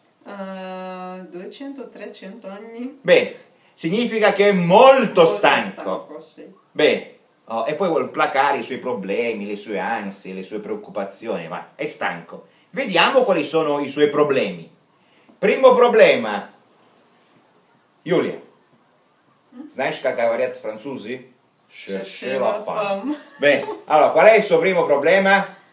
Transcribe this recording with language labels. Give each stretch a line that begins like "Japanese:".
Italian: 200-300 anni. Beh, significa che è molto stanco. Sì. Beh, e poi vuole placare i suoi problemi, le sue ansie, le sue preoccupazioni, ma è stanco. Vediamo quali sono i suoi problemi. Primo problema. Giulia.
Russian: Знаешь, как говорят французы?
French: Cherche la femme.
Italian: Beh, allora, qual è il suo primo problema?